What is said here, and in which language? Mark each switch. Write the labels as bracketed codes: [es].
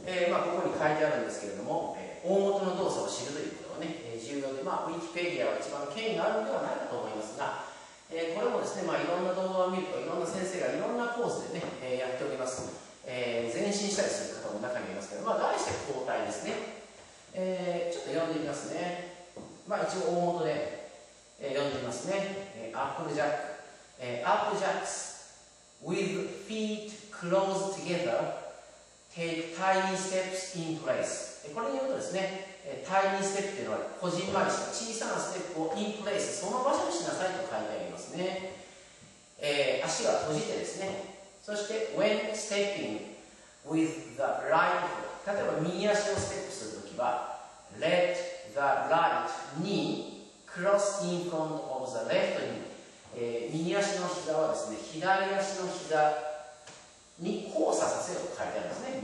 [ja] まあ、ここに書いてあるんですけれども、大元の動作を知るということが、ね、重要で、まあ、ウィキペディアは一番権威があるのではないかと思いますが、これもですね、まあ、いろんな動画を見るといろんな先生がいろんなポーズで、ね、やっております。前進したりする方も中にいますけど、まあ、題して交代ですね。ちょっと読んでみますね。まあ、一応大元で読んでみますね。 [en] アップルジャック、アップルジャックス with feet closed together take tiny steps in place。 [ja] これによるとですね、タイニーステップというのはこじんまりした小さなステップを [en] in place、 [ja] その場所にしなさいと書いてありますね。足は閉じてですね、そして [en] when stepping with the right foot、 [ja] 例えば右足をステップするときは [en] let the right kneeCross in front of the left knee、 [ja] 右足の膝はですね、左足の膝に交差させると書いてあるんですね。